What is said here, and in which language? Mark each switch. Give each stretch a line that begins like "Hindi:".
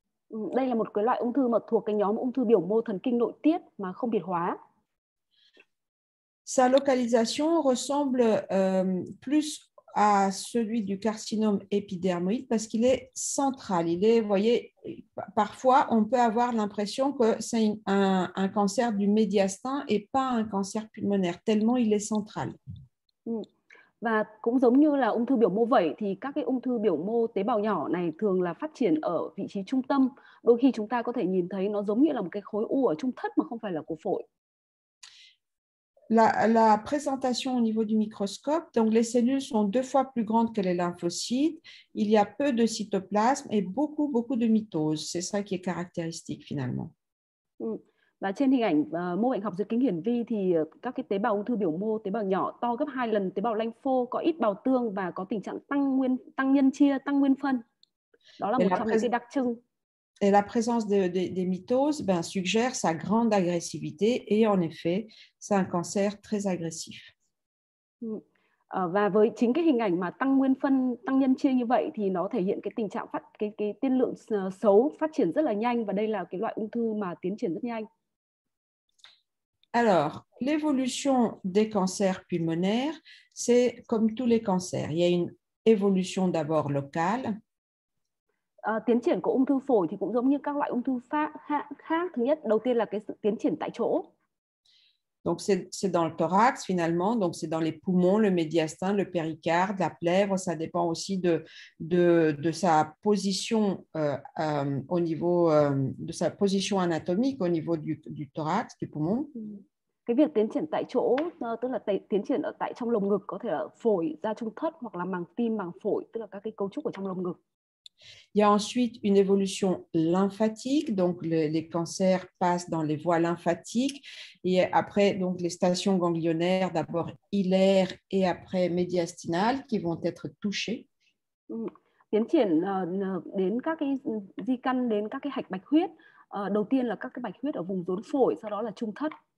Vietnamese: Đây là một cái loại ung thư mà thuộc cái nhóm ung thư biểu mô thần kinh nội tiết mà không biệt hóa.
French: Sa localisation ressemble plus à celui du carcinome épidermoïde parce qu'il est central. Il est, vous voyez, parfois on peut avoir l'impression que c'est un cancer du médiastin et pas un cancer pulmonaire, tellement il est central.
Vietnamese: Và cũng giống như là ung thư biểu mô vẩy thì các cái ung thư biểu mô tế bào nhỏ này thường là phát triển ở vị trí trung tâm. Đôi khi chúng ta có thể nhìn thấy nó giống như là một cái khối u ở trung thất mà không phải là của phổi.
French: La présentation au niveau du microscope, donc les cellules sont deux fois plus grandes que les lymphocytes, il y a peu de cytoplasme et beaucoup, beaucoup de mitose. C'est ça qui est caractéristique finalement.
Vietnamese: Và trên hình ảnh mô bệnh học dưới kính hiển vi thì các cái tế bào ung thư biểu mô, tế bào nhỏ to gấp 2 lần tế bào lympho, có ít bào tương và có tình trạng tăng nhân chia, tăng nguyên phân. Đó là một trong những cái đặc trưng.
French: Et la présence de mitoses ben, suggère sa grande agressivité et en effet, c'est un cancer très agressif.
Vietnamese: Và với chính cái hình ảnh mà tăng nguyên phân, tăng nhân chia như vậy thì nó thể hiện cái tình trạng cái tiên lượng xấu phát triển rất là nhanh và đây là cái loại ung thư mà tiến triển rất nhanh.
French: Alors, l'évolution des cancers pulmonaires, c'est comme tous les cancers. Il y a une évolution d'abord locale.
Vietnamese: Tiến triển của ung thư phổi thì cũng giống như các loại ung thư khác. Thứ nhất, đầu tiên là cái sự tiến triển tại chỗ.
French: Donc c'est dans le thorax finalement, donc c'est dans les poumons, le médiastin, le péricarde, la plèvre, ça dépend aussi de sa position au niveau de sa position anatomique au niveau du thorax, du poumon.
Vietnamese: Cái việc tiến triển tại chỗ tức là tiến triển ở tại trong lồng ngực, có thể là phổi, da trung thất hoặc là màng tim, màng phổi, tức là các cái cấu trúc ở trong lồng ngực.
French: Il y a ensuite une évolution lymphatique, donc les cancers passent dans les voies lymphatiques et après donc les stations ganglionnaires, d'abord hilaire et après médiastinale, qui vont être touchées.
Vietnamese: Tiến triển đến các cái di căn đến các cái hạch bạch huyết. Đầu tiên là các cái bạch huyết ở vùng rốn phổi, sau đó là trung thất.